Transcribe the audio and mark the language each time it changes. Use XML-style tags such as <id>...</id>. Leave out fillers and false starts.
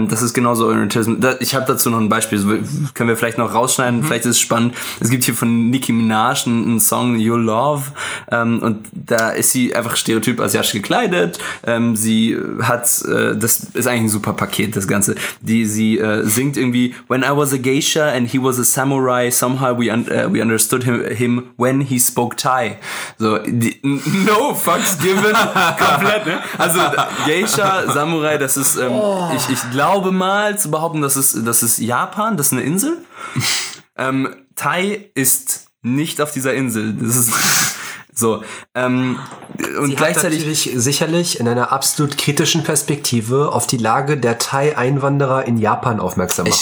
<de>Das ist genauso Orientalismus. Ich habe dazu noch ein Beispiel. Können wir vielleicht noch rausschneiden? Mhm. Vielleicht ist es spannend. Es gibt hier von Nicki Minaj einen Song, You Love. Und da ist sie einfach stereotyp asiatisch gekleidet. Sie hat, das ist eigentlich ein super Paket, das Ganze. Sie singt irgendwie</de> <en>When I was a geisha and he was a samurai, somehow we understood him when he spoke Thai. So, no fucks given.</en> <de>Komplett, ne? Also Geisha, Samurai, das ist, ich glaube mal zu behaupten, das ist Japan, das ist eine Insel. Thai ist nicht auf dieser Insel. Das ist So, und sie gleichzeitig hat natürlich sicherlich in einer absolut kritischen Perspektive auf die Lage der Thai-Einwanderer in Japan aufmerksam machen.</de>